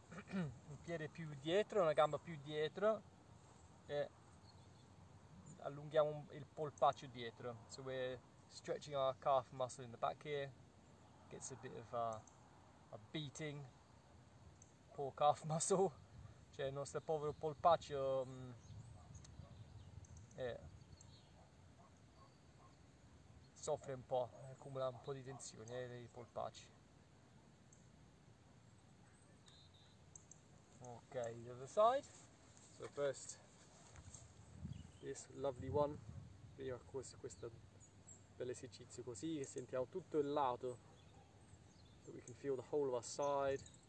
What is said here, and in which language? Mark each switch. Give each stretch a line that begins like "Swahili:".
Italian: Un piede più dietro, una gamba più dietro e allunghiamo il polpaccio dietro.
English: So we're stretching our calf muscle in the back here. Gets a bit of a beating. Poor calf muscle.
Italian: Cioè il nostro povero polpaccio soffre un po', accumula un po' di tensione dei polpacci.
English: Okay, the other side. So first, this lovely one.
Italian: Prima questo bell'esercizio così, che sentiamo tutto il lato.
English: So we can feel the whole of our side.